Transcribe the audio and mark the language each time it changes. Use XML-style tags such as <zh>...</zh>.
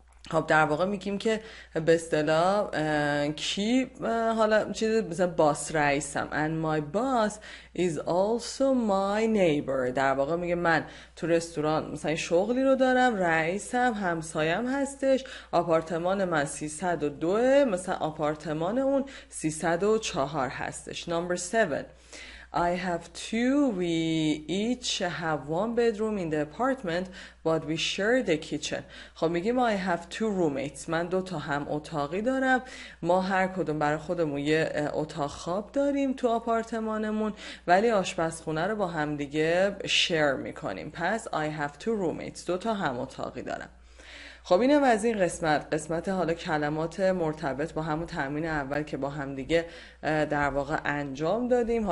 <fa>خب در واقع میگیم که به اصطلاح کی حالا چیزی مثلا باس رئیسم</fa> <en>and my boss is also my neighbor.</en> <fa>در واقع میگه من تو رستوران مثلا شغلی رو دارم، رئیسم همسایم هستش، آپارتمان من 302 مثلا آپارتمان اون 304 هستش.</fa> <en>Number 7. I have two, we each have one bedroom in the apartment, but we share the kitchen.</en> <fa>خب میگیم</fa> <en>I have two roommates.</en> <fa>من دو تا هم اتاقی دارم. ما هر کدوم برای خودمون یه اتاق خواب داریم تو آپارتمانمون، ولی آشپزخونه رو با هم دیگه share میکنیم. پس</fa> <en>I have two roommates.</en> <fa>دو تا هم اتاقی دارم. خب اینم از این قسمت، قسمت حالا کلمات مرتبط با همون تمرین اول که با هم دیگه در واقع انجام دادیم.</fa>